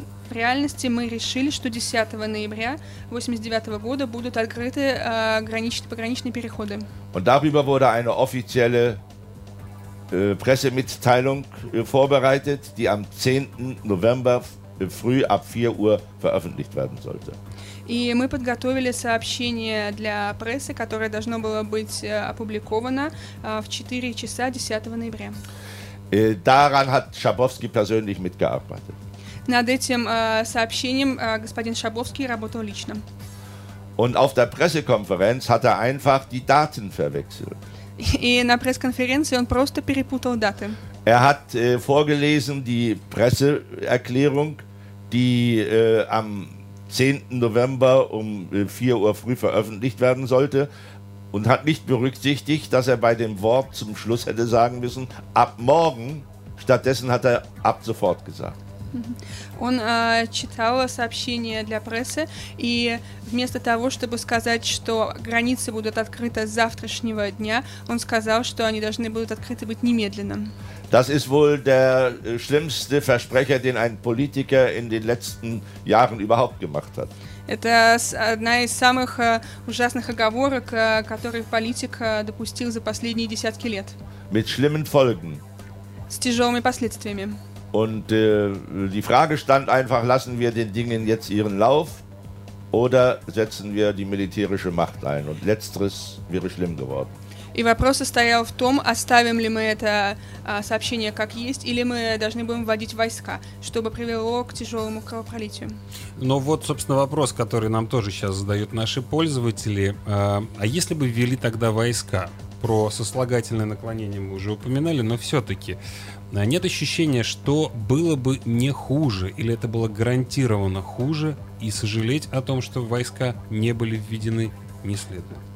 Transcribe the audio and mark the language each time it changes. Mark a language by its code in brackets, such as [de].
[ru] В реальности мы решили, что 10 ноября 89 года будут открыты пограничные переходы. [de] Und darüber wurde eine offizielle Pressemitteilung vorbereitet, die am 10. November früh ab 4 Uhr veröffentlicht werden sollte. [ru] И мы подготовили сообщение для прессы, которое должно было быть опубликовано в 4 часа 10 ноября. [de] Daran hat Schabowski persönlich mitgearbeitet. [ru] Над этим сообщением господин Шабовский работал лично. [de] Und auf der Pressekonferenz hat einfach die Daten verwechselt. [ru] И на пресс-конференции он просто перепутал даты. [de] Hat vorgelesen die Presseerklärung, die am 10. November um 4 Uhr früh veröffentlicht werden sollte und hat nicht berücksichtigt, dass bei dem Wort zum Schluss hätte sagen müssen, ab morgen, stattdessen hat ab sofort gesagt. [ru] Он читал сообщение для прессы, и вместо того, чтобы сказать, что границы будут открыты с завтрашнего дня, он сказал, что они должны будут открыты быть немедленно. [de] Das ist wohl der schlimmste Versprecher, den ein Politiker in den letzten Jahren überhaupt gemacht hat. [ru] Это одна из самых ужасных оговорок, которые политик допустил за последние десятки лет. [de] Mit schlimmen Folgen. [ru] С тяжелыми последствиями. [de] Und die Frage stand einfach, lassen wir den Dingen jetzt ihren Lauf oder setzen wir die militärische Macht ein? Und letzteres wäre schlimm geworden. [ru] И вопрос состоял в том, оставим ли мы это сообщение как есть, или мы должны будем вводить войска, чтобы привело к тяжелому кровопролитию. Ну вот, собственно, вопрос, который нам тоже сейчас задают наши пользователи. А если бы ввели тогда войска? Про сослагательное наклонение мы уже упоминали, но все-таки нет ощущения, что было бы не хуже, или это было гарантированно хуже, и сожалеть о том, что войска не были введены, не следует.